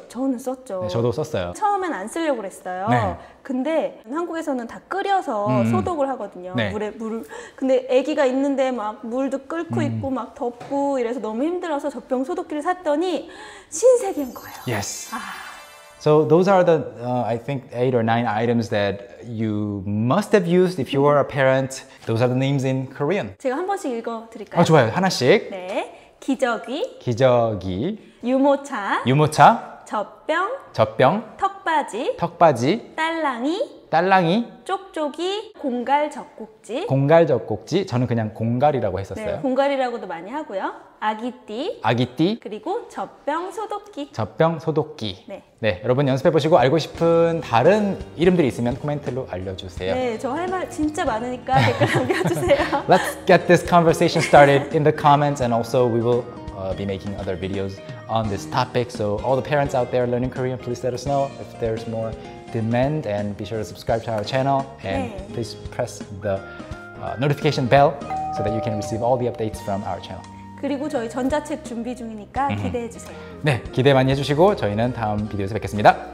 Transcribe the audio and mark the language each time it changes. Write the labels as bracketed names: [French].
[Korean] 저는 썼죠. 네, 저도 썼어요. 처음엔 안 쓰려고 그랬어요. 네. 근데 한국에서는 다 끓여서 소독을 하거든요. 네. 물에 물. 근데 아기가 있는데 막 물도 끓고 있고 막 덥고 이래서 너무 힘들어서 젖병 소독기를 샀더니 신세계인 거예요. [English] Yes. So those are the, I think, 8 or 9 items that you must have used if you are a parent. Those are the names in Korean. [Korean] 제가 한 번씩 읽어드릴까요? 좋아요. 하나씩. 네. 기저귀. 기저귀. 유모차. 유모차. 젖병. 젖병. 턱받이. 턱받이. 딸랑이. 딸랑이 쪽쪽이 공갈 젖꼭지 공갈 젖꼭지 저는 그냥 공갈이라고 했었어요. 네, 공갈이라고도 많이 하고요. 아기띠 아기띠 그리고 젖병 소독기 젖병 소독기 네. 네 여러분 연습해 보시고 알고 싶은 다른 이름들이 있으면 코멘트로 알려주세요. 네 저 할 말 진짜 많으니까 댓글 남겨주세요. [English] Let's get this conversation started in the comments and also we will be making other videos on this topic. So all the parents out there learning Korean, please let us know if there's more demand and be sure to subscribe to our channel and 네. please press the notification bell so that you can receive all the updates from our channel. [Korean] 그리고 저희 전자책 준비 중이니까 기대해 주세요. 네, 기대 많이 해주시고 저희는 다음 비디오에서 뵙겠습니다.